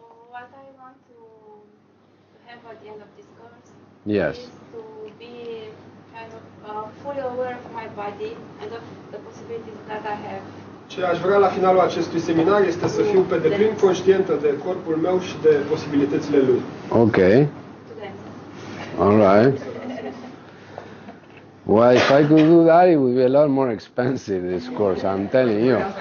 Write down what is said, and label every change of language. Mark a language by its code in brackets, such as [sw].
[en] What I want to have at the end of this course, yes, is to be kind of fully aware of my body and of the possibilities that I have. [ro] Ce aș vrea la finalul acestui seminar este să fiu pe deplin conștientă de corpul meu și de posibilitățile lui. [en] Ok. All right. Well, if I could do that, it would be a lot more expensive, this course, I'm telling you.